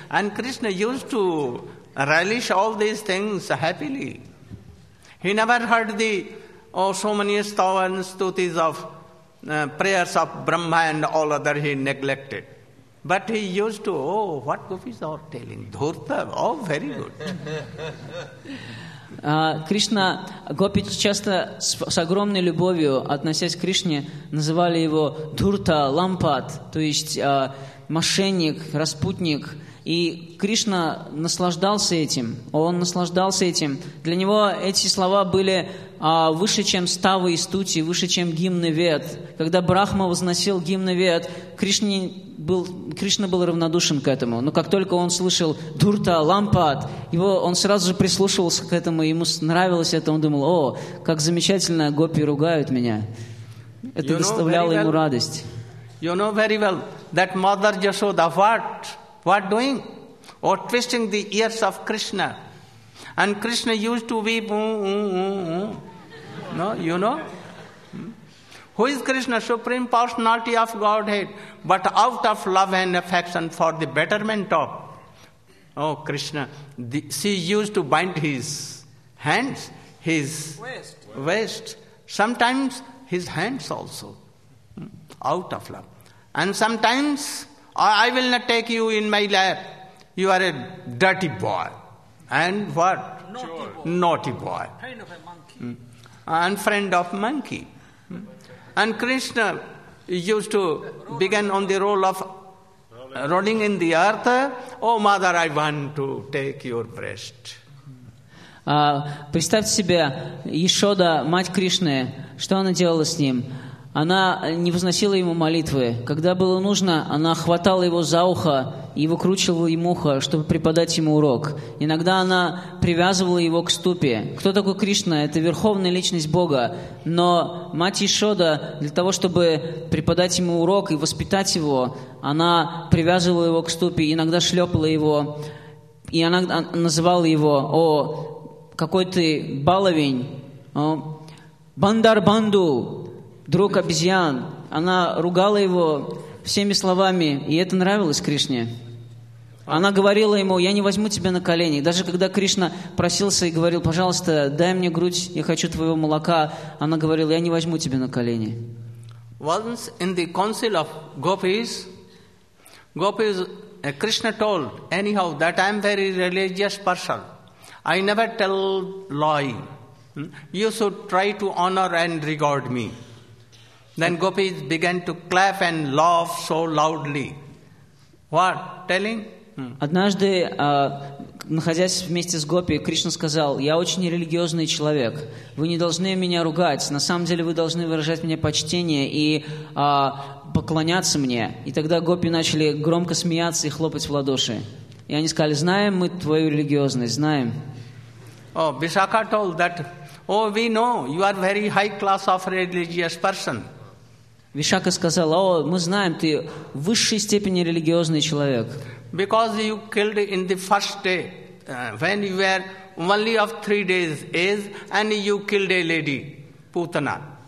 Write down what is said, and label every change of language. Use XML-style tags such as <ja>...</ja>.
<en>And Krishna used to relish all these things happily. He never heard the so many stavan stutis of prayers of Brahma and all other he neglected. But he used to, oh, what gopis are telling? Dhurta, oh, very good.</en> <ru>Кришна, гопи часто с огромной любовью, относясь к Кришне, называли его Дурта, Лампат, то есть мошенник, распутник. И Кришна наслаждался этим. Он наслаждался этим. Для него эти слова были выше, чем ставы и стути, выше, чем гимны Вед. Когда Брахма возносил гимны Вед, Кришна был равнодушен к этому. Но как только он слышал «Дурта, Лампат», он сразу же прислушивался к этому, ему нравилось это, он думал, «О, как замечательно, гопи ругают меня». Это доставляло ему радость.</ru> <en>You know very well that Mother Yashoda, what doing? Or twisting the ears of Krishna. And Krishna used to weep, No, you know? Who is Krishna? Supreme Personality of Godhead. But out of love and affection for the betterment of Krishna, she used to bind his hands, his waist, sometimes his hands also, out of love. And sometimes, I will not take you in my lap, you are a dirty boy. And what? Naughty boy. Kind of a monkey. And friend of monkey. And Krishna used to begin on the role of rolling in the earth. Oh, mother, I want to take your breast.</en> <ru>Представьте себе, Яшода, мать Кришны, что она делала с ним? Она не возносила ему молитвы. Когда было нужно, она хватала его за ухо и выкручивала ему ухо, чтобы преподать ему урок. Иногда она привязывала его к ступе. Кто такой Кришна? Это верховная личность Бога. Но мать Яшода, для того, чтобы преподать ему урок и воспитать его, она привязывала его к ступе, иногда шлепала его. И она называла его, «О, какой ты баловень! Бандар-банду!» Друг обезьян, она ругала его всеми словами, и это нравилось Кришне. Она говорила ему, я не возьму тебя на колени. Даже когда Кришна просился и говорил, пожалуйста, дай мне грудь, я хочу твоего молока, она говорила, я не возьму тебя на колени.</ru> <en>Once in the council of gopis, Gopis, Krishna told, anyhow, that I am very religious person. I never tell lie. You should try to honor and regard me. Then gopis began to clap and laugh so loudly. What? Telling?</en> <ru>Однажды, находясь вместе с гопи, Кришна сказал, «Я очень религиозный человек. Вы не должны меня ругать. На самом деле вы должны выражать мне почтение и поклоняться мне». И тогда гопи начали громко смеяться и хлопать в ладоши. И они сказали, «Знаем мы твою религиозность, знаем».</ru> <en>Oh, Visakha told that, oh, we know, you are very high class of religious person.</en> <ru>Vishakha сказала, о, мы знаем, ты в высшей степени религиозный человек.</ru> <en>Because you killed in the first day, when you were only of 3 days age, and you killed a lady, Putana.</en>